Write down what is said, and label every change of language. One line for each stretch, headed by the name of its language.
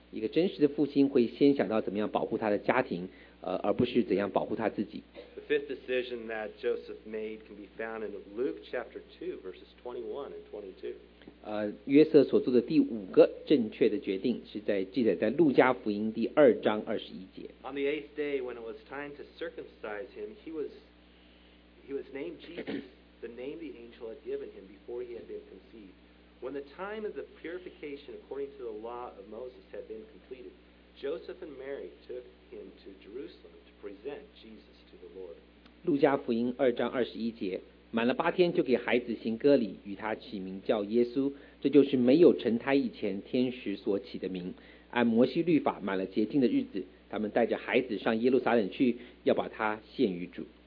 Chinese: 一个真实的父亲会先想到怎么样保护他的家庭，而不是怎样保护他自己。
English: The fifth decision that Joseph made can be found in Luke chapter 2, verses 21 and 22.
Chinese: 约瑟所做的第五个正确的决定是在记载在路加福音第二章二十一节。
English: On the eighth day, when it was time to circumcise him, he was named Jesus, the name the angel had given him before he had been conceived. When the time of the purification according to the law of Moses had been completed, Joseph and Mary took him to Jerusalem to present Jesus.
Chinese: 路加福音二章二十一节，满了八天就给孩子行割礼，与他起名叫耶稣，这就是没有成胎以前天使所起的名。按摩西律法满了洁净的日子，他们带着孩子上耶路撒冷去，要把他献于主。